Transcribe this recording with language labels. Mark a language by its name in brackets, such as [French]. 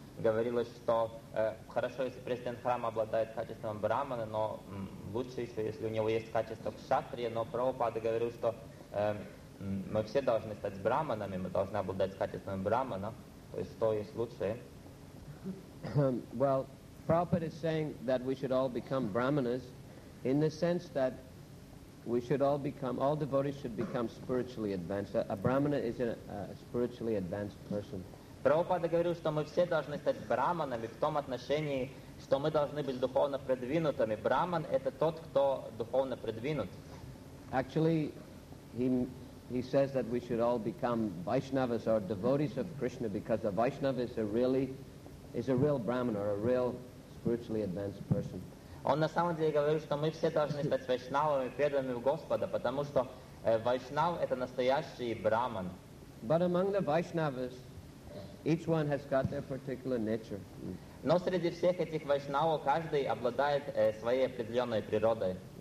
[Russian] говорилось, что хорошо, если президент храма обладает качеством брахмана, но лучше еще, если у него есть качество кшатрия, но Прабхупада говорил, что мы все должны стать брахманами, мы должны обладать качеством брахмана, то есть что есть лучшее. [English] Well, Prabhupada is saying that we should all become brahmanas in the sense that we should all become, all devotees should become spiritually advanced. A brahmana is a spiritually advanced person. [Russian] Прабхупада говорил, что мы все должны стать брахманами в том отношении, что мы должны быть духовно продвинутыми. Брахман — это тот, кто духовно продвинут. [English] Actually, he says that we should all become Vaishnavas or devotees of Krishna because a Vaishnava is a real brahman or a real spiritually advanced person. [Russian] Он на самом деле говорит, что мы все должны стать вайшнавами, преданными в Господа, потому что вайшнав — это настоящий брахман. [English] But among the Vaishnavas, each one has got their particular nature. [Russian] Но среди всех этих вайшнавов каждый обладает своей определенной природой.